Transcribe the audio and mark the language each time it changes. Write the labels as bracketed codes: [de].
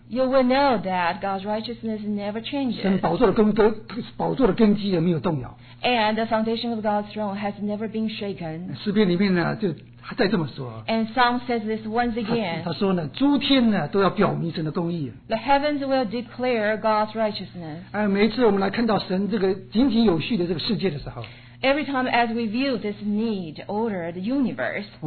[en] You will know that God's righteousness never changes. [zh] 神宝座的根基也没有动摇。 [en] And the foundation of God's throne has never been shaken. [zh] 诗篇里面呢，就再这么说。 [en] And Psalm says this once again. [zh] 他说呢，诸天呢都要表明神的公义。 [en] The heavens will declare God's righteousness. [zh] 每一次我们来看到神这个井井有序的这个世界的时候。 [en] Every time as we view this neat ordered universe,